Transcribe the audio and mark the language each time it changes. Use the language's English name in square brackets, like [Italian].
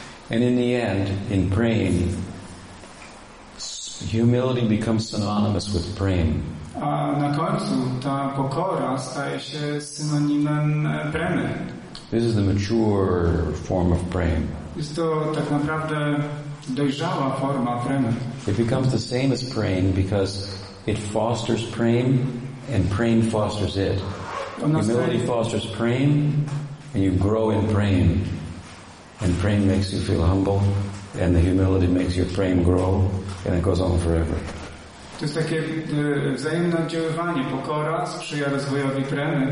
[English] And in the end, in praying, humility becomes synonymous with praying. [Polish] A na końcu ta pokora staje się synonimem premy. [English] This is the mature form of praying. [Polish] Jest to tak naprawdę dojrzała forma premy. [English] It becomes the same as praying because it fosters praying. And praying fosters it. Humility fosters praying, and you grow in praying. And praying makes you feel humble, and the humility makes your praying grow, and it goes on forever. [Polish] To jest takie wzajemne oddziaływanie. Pokora sprzyja rozwojowi premy.